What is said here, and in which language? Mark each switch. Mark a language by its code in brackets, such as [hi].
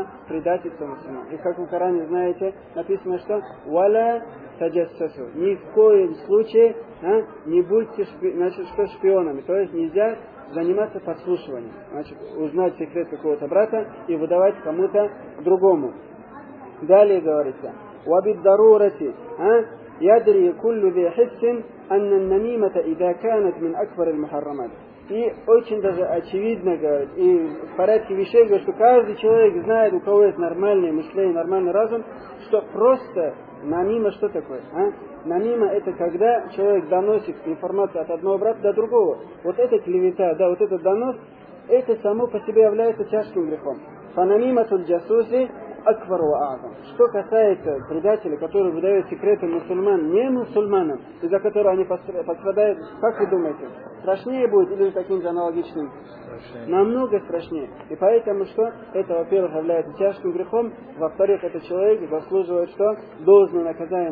[ru] Предательство мусульман. И как в Коране знаете, написано что? [ar] وَلَا تَجَسَّسُ. [ru] Ни в коем случае не будьте шпионами. То есть нельзя заниматься подслушиванием. Значит, узнать секрет какого-то брата и выдавать кому-то другому. Далее говорится. [ar] وبالضرورة يدري كل ذي حس أن النميمة إذا كانت من أكبر المحرمات. [ru] И очень даже очевидно, говорит, и в порядке вещей, говорит, что каждый человек знает, у кого есть нормальное мышление, нормальный разум, что просто намима что такое? Намима это когда человек доносит информацию от одного брата до другого. Вот эта клевета, да, вот этот донос, это само по себе является тяжким грехом. [ar] فنميمة الجاسوس أكبر وأعظم. [ru] Что касается предателя, который выдает секреты мусульман, не мусульманам, из-за которого они пострадают, как вы думаете, страшнее будет или таким же аналогичным? Страшнее. Намного страшнее. И поэтому что? Это, во-первых, является тяжким грехом, во-вторых, этот человек заслуживает что? Должное наказание.